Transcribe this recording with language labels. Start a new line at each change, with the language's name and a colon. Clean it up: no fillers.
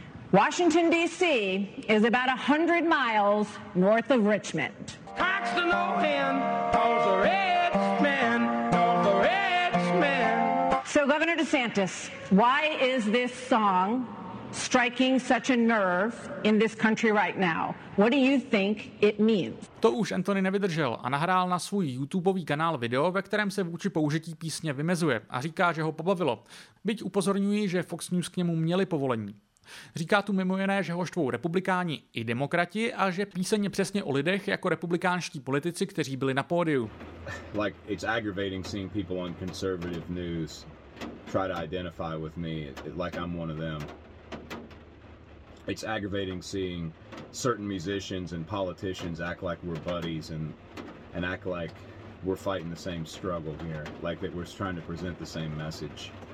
English: Washington, D.C. is about 100 miles north of Richmond. Cox the no-hand calls a rich man, calls a rich man. So, Governor DeSantis, why is this song striking such a nerve in this country right now? What do you think it means?
Czech: To už Anthony nevydržel a nahrál na svůj YouTubeový kanál video, ve kterém se vůči použití písně vymezuje a říká, že ho pobavilo. Byť upozorňuji, že Fox News k němu měli povolení. Říká tu mimo jiné, že ho štvou republikáni i demokrati a že píseň je přesně o lidech jako republikánští politici, kteří byli na pódiu.
English: Like it's aggravating seeing people on conservative news try to identify with me like I'm one of them. It's aggravating seeing certain musicians and politicians act like we're buddies and act like we're fighting the same struggle here, like that we're trying to present the same message.